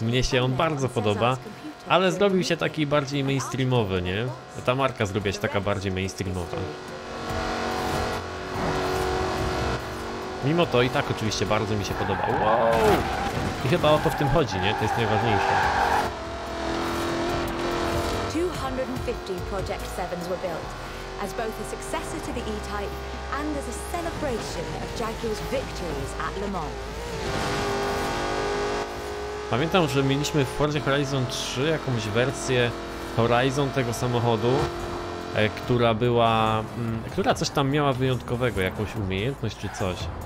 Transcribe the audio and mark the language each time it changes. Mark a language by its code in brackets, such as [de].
[pl] Mnie się on bardzo podoba, ale zrobił się taki bardziej mainstreamowy, nie? Ta marka zrobiła się taka bardziej mainstreamowa. Mimo to i tak oczywiście bardzo mi się podoba. Wow! I chyba o to w tym chodzi, nie? To jest najważniejsze. [en] 250 Project 7s were built as both a successor to the E-Type and as a celebration of Jaguar's victories at Le Mans. [pl] Pamiętam, że mieliśmy w Forza Horizon 3 jakąś wersję Horizon tego samochodu, która była, która coś tam miała wyjątkowego, jakąś umiejętność czy coś.